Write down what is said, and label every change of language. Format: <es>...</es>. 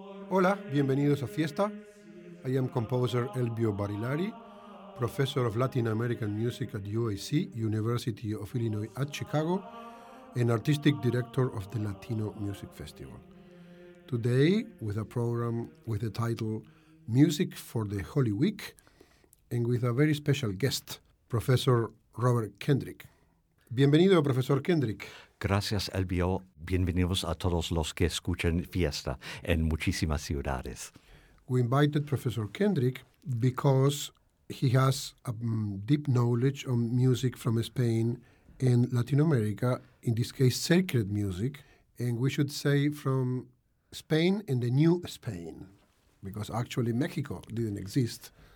<es>Hola, bienvenidos a Fiesta.</es> <en>I am composer Elvio Barilari, professor of Latin American music at UIC, University of Illinois at Chicago, and artistic director of the Latino Music Festival. Today, with a program with the title Music for the Holy Week, and with a very special guest, Professor Robert Kendrick.</en> <es>Bienvenido, Professor Kendrick. Gracias, Elvio. Bienvenidos a todos los que escuchan Fiesta en muchísimas ciudades.</es> <en>We invited Professor Kendrick because he has a deep knowledge on music from Spain and Latin America, in this case, sacred music, and we should say from Spain and the New Spain, because actually Mexico didn't exist.</en>